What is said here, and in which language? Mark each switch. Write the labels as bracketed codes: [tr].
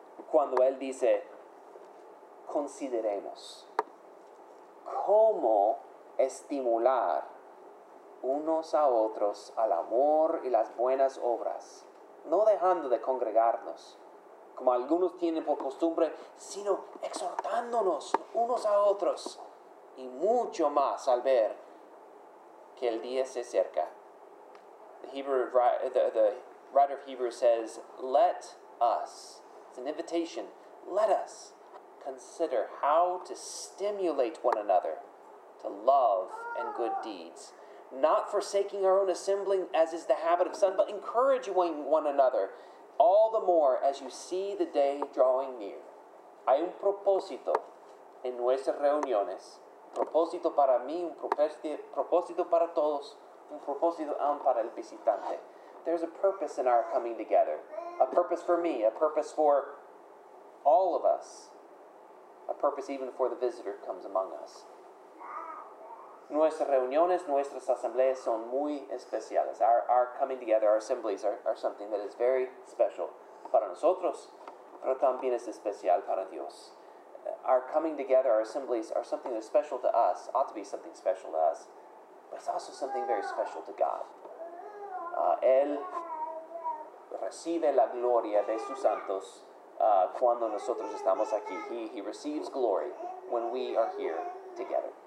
[es] Cuando él dice, consideremos cómo estimular unos a otros al amor y las buenas obras, no dejando de congregarnos, como algunos tienen por costumbre, sino exhortándonos unos a otros, y mucho más al ver que el día se acerca. [en] The writer of Hebrews says, let us, it's an invitation, let us consider how to stimulate one another to love and good deeds, not forsaking our own assembling as is the habit of some, but encouraging one another all the more as you see the day drawing near. [es] Hay un propósito en nuestras reuniones, un propósito para mí, un propósito para todos, un propósito aún para el visitante. [en] There's a purpose in our coming together, a purpose for me, a purpose for all of us, a purpose even for the visitor who comes among us. [es] Nuestras reuniones, nuestras asambleas son muy especiales. [en] Our coming together, our assemblies are something that is very special para nosotros, pero también es especial para Dios. Our coming together, our assemblies are something that is special to us, ought to be something special to us, but it's also something very special to God. [es] Él recibe la gloria de sus santos cuando nosotros estamos aquí. [en] He receives glory when we are here together.